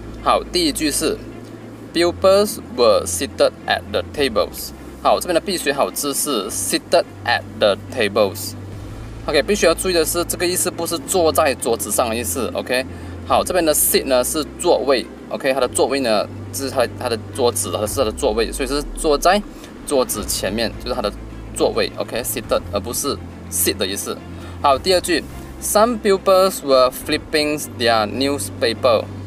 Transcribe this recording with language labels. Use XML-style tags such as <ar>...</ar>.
<zh>好，第一句是</zh> <en>Pupils were seated at the tables。</en> <zh>好，这边的必学好字是</zh> <en>seated at the tables。</en> <zh>OK， 必须要注意的是这个意思不是坐在桌子上的意思。 OK， 好，这边的 sit 呢是座位。OK， 它的座位呢是它的桌子，它是它的座位，所以是坐在桌子前面，就是它的座位。 OK， seated 而不是 sit 的意思。好，第二句，</zh> <en>Some pupils were flipping their newspaper。</en>